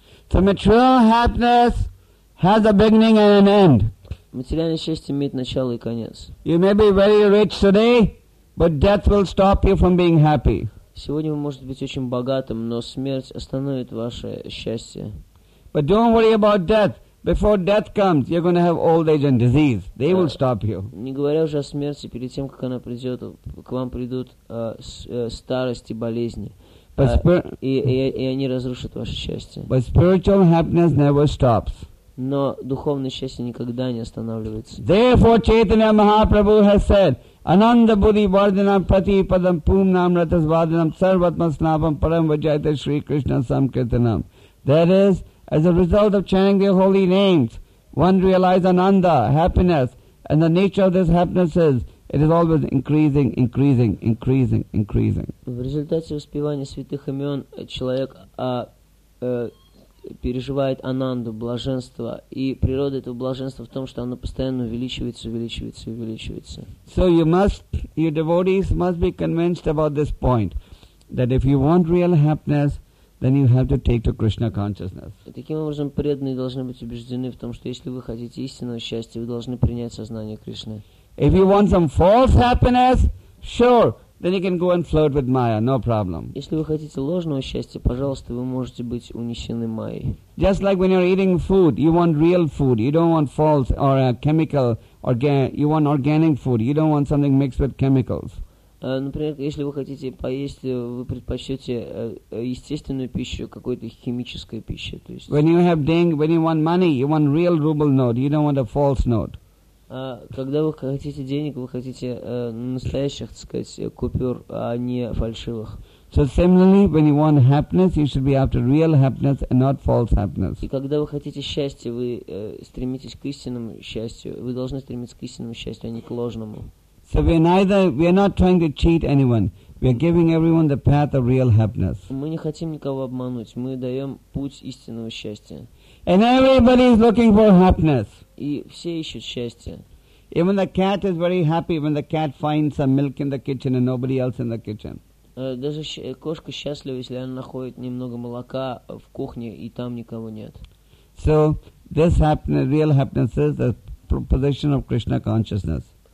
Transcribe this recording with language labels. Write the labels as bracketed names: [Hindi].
[English] So material happiness has a beginning and an end. [Russian] Материальное счастье имеет начало и конец. [English] You may be very rich today, but death will stop you from being happy. [Russian] Сегодня вы можете быть очень богатым, но смерть остановит ваше счастье. [English] But don't worry about death. Before death comes, you're going to have old age and disease. They will stop you. [Russian] Не говоря уже о смерти, перед тем, как она придет, к вам придут старость и болезни. И они разрушат ваше счастье. [English] But spiritual happiness never stops. [Russian] Но духовное счастье никогда не останавливается. [English] Therefore, Chaitanya Mahaprabhu has said, [Sanskrit] Ananda Buddhi Vardhanam Pati Padam Pum Nam Ratas Vardhanam Sarvatma Snapam Param Vajayate Shri Krishna Samkirtanam. [English] That is, as a result of chanting their holy names, one realizes ananda, happiness, and the nature of this happiness is, it is always increasing. [Russian] В результате воспевания святых имен человек переживает ананду, блаженство, и природа этого блаженства в том, что оно постоянно увеличивается. [English] So your devotees must be convinced about this point, that if you want real happiness, then you have to take to Krishna consciousness. [Russian] Таким образом, преданные должны быть убеждены в том, что если вы хотите истинного счастья, вы должны принять сознание Кришны. [English] If you want some false happiness, sure, then you can go and flirt with Maya, no problem. [Russian] Если вы хотите ложного счастья, пожалуйста, вы можете быть унесены Майей. [English] Just like when you're eating food, you want real food, you don't want false or chemical, you want organic food, you don't want something mixed with chemicals. [Russian] Например, если вы хотите поесть, вы предпочтете естественную пищу, какой-то химической пищей. То есть... [English] When you have dengue, when you want money, you want real ruble note, you don't want a false note. [Russian] Когда вы хотите денег, вы хотите настоящих, так сказать, купюр, а не фальшивых. [English] So similarly, when you want happiness, you should be after real happiness and not false happiness. [Russian] И когда вы хотите счастья, вы стремитесь к истинному счастью, вы должны стремиться к истинному счастью, а не к ложному. [English] So we are not trying to cheat anyone. We are giving everyone the path of real happiness. [Russian] Мы не хотим никого обмануть. Мы даем путь истинного счастья. [English] And everybody is looking for happiness. [Russian] И все ищут счастье. [English] Even the cat is very happy when the cat finds some milk in the kitchen and nobody else in the kitchen. [Russian] Даже кошка счастлива, если она находит немного молока в кухне и там никого нет. [English] So this happiness, real happiness, is the position of Krishna consciousness.